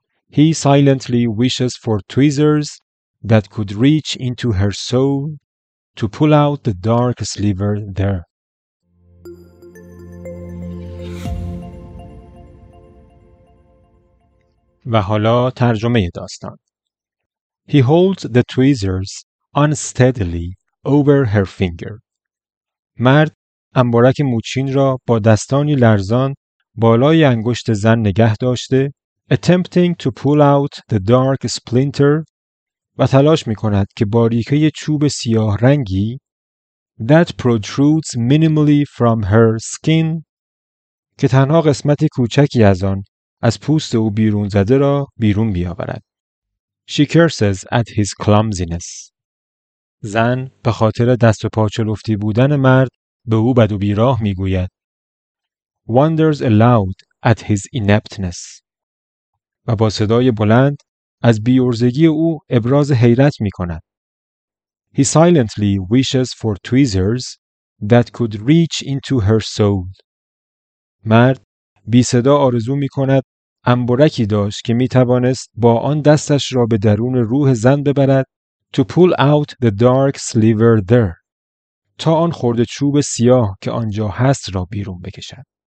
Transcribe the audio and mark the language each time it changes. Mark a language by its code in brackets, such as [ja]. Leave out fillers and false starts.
[en] He silently wishes for tweezers that could reach into her soul to pull out the dark sliver there. [fa] و حالا ترجمه داستان. [en] He holds the tweezers unsteadily over her finger. [fa] مرد انبارک موچین را با دستانی لرزان بالای انگشت زن نگه داشته، [en] attempting to pull out the dark splinter [fa] و تلاش میکند که باریکه چوب سیاه رنگی [en] that protrudes minimally from her skin [fa] که تنها قسمت کوچکی از آن از پوست او بیرون زده را بیرون بیاورد. [en] She curses at his clumsiness. [fa] زن به خاطر دست و پاچلفتی بودن مرد به او بد و بیراه میگوید. [en] Wonders aloud at his ineptness. [fa] و با صدای بلند از بی‌عرضگی او ابراز حیرت می‌کند. [en] He silently wishes for tweezers that could reach into her soul. [fa] مرد بی صدا آرزو می‌کند انبرکی داشت که می‌توانست با آن دستش را به درون روح زن ببرد، [en] to pull out the dark sliver there. [fa] تا آن خرده چوب سیاه که آنجا هست را بیرون بکشد.